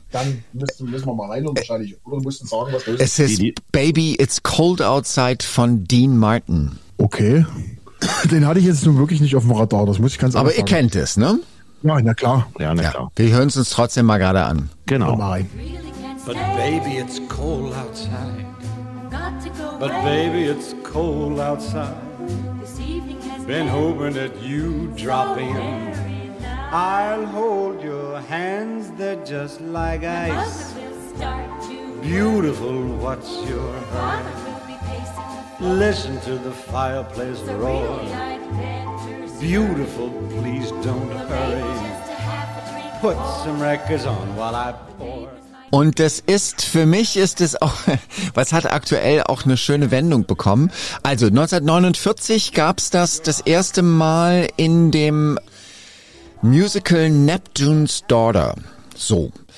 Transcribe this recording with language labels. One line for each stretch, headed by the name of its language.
German: Dann müssen wir mal rein und wahrscheinlich, oder wir müssen sagen, was los ist. Es ist Baby, It's Cold Outside von Dean Martin. Okay, den hatte ich jetzt nun wirklich nicht auf dem Radar, das muss ich ganz ehrlich sagen. Aber ihr kennt es, ne? Ja, na klar. Ja, na klar. Wir hören es uns trotzdem mal gerade an. Genau. Mal rein.
English: But baby, it's cold outside. But baby, it's cold outside. Been hoping that you drop in. I'll hold your hands, they're just like ice. Beautiful, what's your hurry? Listen to the fireplace roar. Beautiful, please don't hurry. Put some records on while I pour.
German: Und das ist, für mich ist es auch, was hat aktuell auch eine schöne Wendung bekommen. Also 1949 gab's das erste Mal in dem Musical Neptune's Daughter. So.